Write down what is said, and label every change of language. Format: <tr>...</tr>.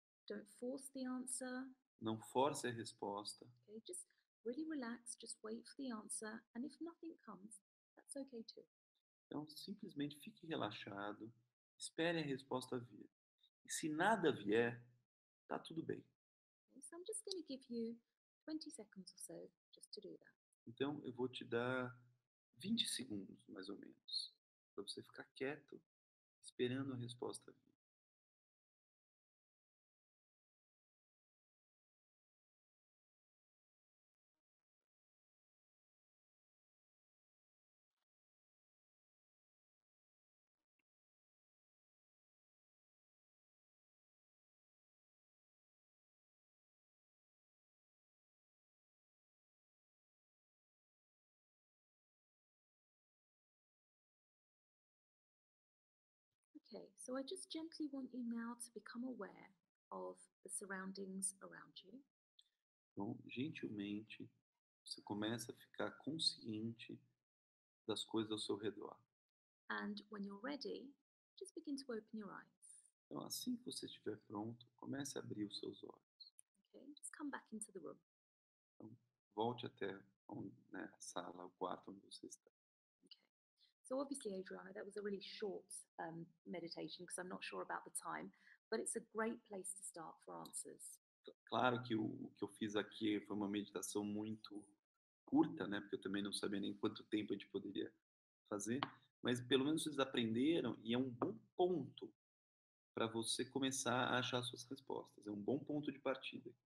<en>Don't force the answer.</en> <pt>Não force a resposta.</pt> <en>Okay, just really relax, just wait for the answer, and if nothing comes, that's okay too.</en> <pt>Então, simplesmente fique relaxado, espere a resposta vir. E se nada vier, tá tudo bem.</pt> <en>Okay, so I'm just going to give you 20 seconds or so just to do that.</en> <pt>Então, eu vou te dar 20 segundos, mais ou menos, para você ficar quieto, esperando a resposta vir.</pt> <en>Okay, so I just gently want you now to become aware of the surroundings around you.</en> <pt>Bom, gentilmente, você começa a ficar consciente das coisas ao seu redor.</pt> <en>And when you're ready, just begin to open your eyes.</en> <pt>Então, assim que você estiver pronto, comece a abrir os seus olhos.</pt> <en>Okay, just come back into the room.</en> <pt>Então, volte até onde, né, a sala, o quarto onde você está.</pt> <en>So obviously, Adriana, that was a really short meditation because I'm not sure about the time, but it's a great place to start for answers.</en> <pt>Claro que o que eu fiz aqui foi uma meditação muito curta, né? Porque eu também não sabia nem quanto tempo a gente poderia fazer, mas pelo menos vocês aprenderam e é um bom ponto para você começar a achar suas respostas. É um bom ponto de partida.</pt>